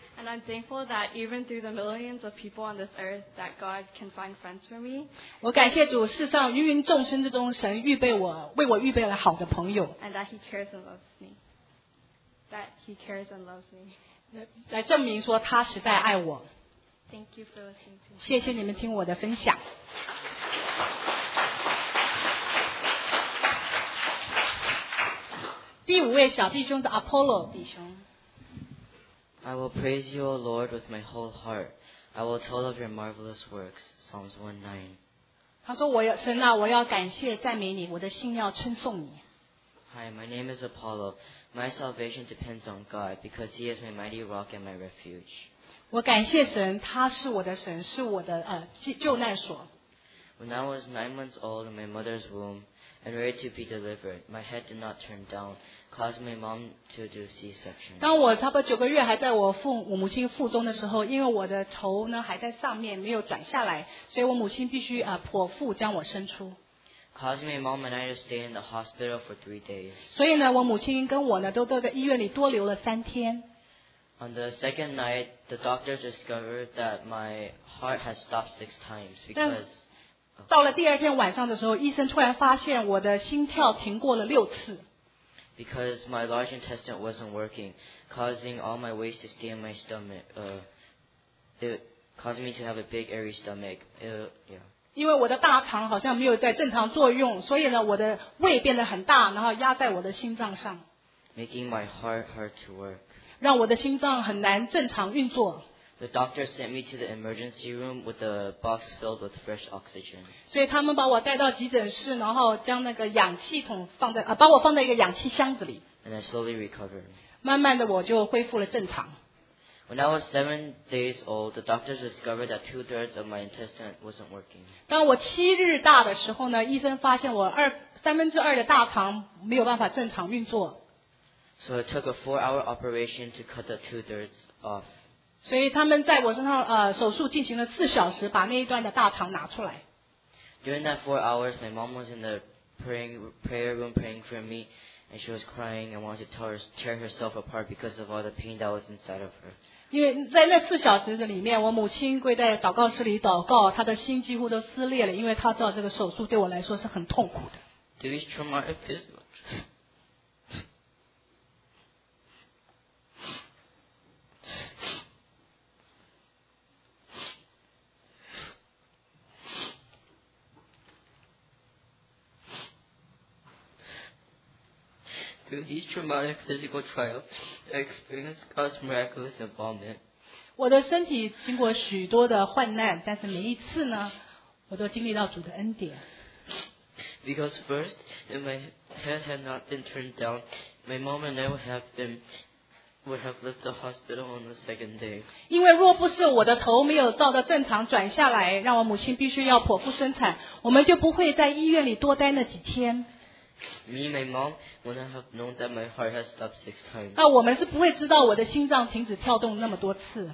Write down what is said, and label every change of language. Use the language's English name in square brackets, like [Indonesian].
[English] And I'm thankful that even through the millions of people on this earth, that God can find friends for me. [Chinese] 我感谢主，世上芸芸众生之中，神为我预备了好的朋友。 [English] And that He cares and loves me. That He cares and loves me. [Chinese] 来证明说他实在爱我。 [English] Thank you for listening to me. [Chinese] 谢谢你们听我的分享。第五位小弟兄是 Apollo 弟兄。 [English] I will praise you, O Lord, with my whole heart. I will tell of your marvelous works. Psalms 109. [Chinese] 他说我要神啊，我要感谢赞美你，我的心要称颂你。 [English] Hi, my name is Apollo. My salvation depends on God because He is my mighty rock and my refuge. [Chinese] 我感谢神，他是我的神，是我的救难所。 [English] When I was 9 months old in my mother's womb and ready to be delivered, my head did not turn down. Caused my mom to do C-section. [Chinese] 当我差不多九个月还在我母亲腹中的时候，因为我的头呢还在上面没有转下来，所以我母亲必须剖腹将我生出。 [English] Caused my mom and I to stay in the hospital for 3 days. [Chinese] 所以呢，我母亲跟我呢都在医院里多留了三天。 [English] On the second night, the doctors discovered that my heart had stopped 6 times because. [Chinese] 到了第二天晚上的时候，医生突然发现我的心跳停过了6次。 [English] Because my large intestine wasn't working, causing all my waste to stay in my stomach, causing me to have a big airy stomach. Yeah. [Chinese] 因为我的大肠好像没有在正常作用，所以呢，我的胃变得很大，然后压在我的心脏上。 [English] Making my heart hard to work. [Chinese] 让我的心脏很难正常运作。 [English] The doctor sent me to the emergency room with a box filled with fresh oxygen. [Chinese] 所以他们把我带到急诊室，然后将那个氧气筒放在把我放在一个氧气箱子里。 [English] And I slowly recovered. [Chinese] 慢慢的我就恢复了正常。 [English] When I was 7 days old, the doctors discovered that 2/3 of my intestine wasn't working. [Chinese] 当我7日大的时候呢，医生发现我2/3的大肠没有办法正常运作。 [English] So it took a 4-hour operation to cut the 2/3 off. [Chinese] 所以他们在我身上手术进行了4小时，把那一段的大肠拿出来。 [English] During that 4 hours, my mom was in the prayer room praying for me, and she was crying and wanted to tear herself apart because of all the pain that was inside of her. [Chinese] 因为在那4小时里面，我母亲跪在祷告室里祷告，她的心几乎都撕裂了，因为她知道这个手术对我来说是很痛苦的。 [English] Do these traumatic episodes? Through these traumatic physical trials, I experienced God's miraculous involvement. [Chinese] 我的身体经过许多的患难，但是每一次呢，我都经历到主的恩典。 [English] Because first, if my head had not been turned down, my mom and I would have been would have left the hospital on the second day. [Chinese] 因为若不是我的头没有照得正常转下来，让我母亲必须要剖腹生产，我们就不会在医院里多待那几天。 [English] Me and my mom wouldn't have known that my heart has stopped 6 times. [Chinese] 那我们是不会知道我的心脏停止跳动那么多次。